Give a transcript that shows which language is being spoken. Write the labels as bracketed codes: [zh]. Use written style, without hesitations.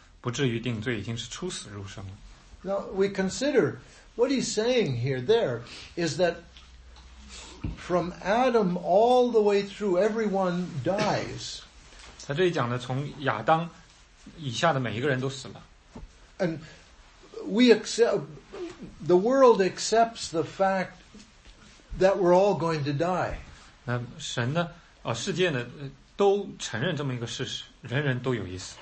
[zh] 所以24节说呢，他就是那些人呢，听他话又信他差他来者，就有永生了，不至于定罪，已经是出死入生了。 [en] Now we consider what he's saying here. There is that from Adam all the way through, everyone dies. [zh] 他这里讲的从亚当以下的每一个人都死了。 [en] And we accept, the world accepts the fact that we're all going to die. [zh] 那神呢，世界呢，都承认这么一个事实，人人都有一死。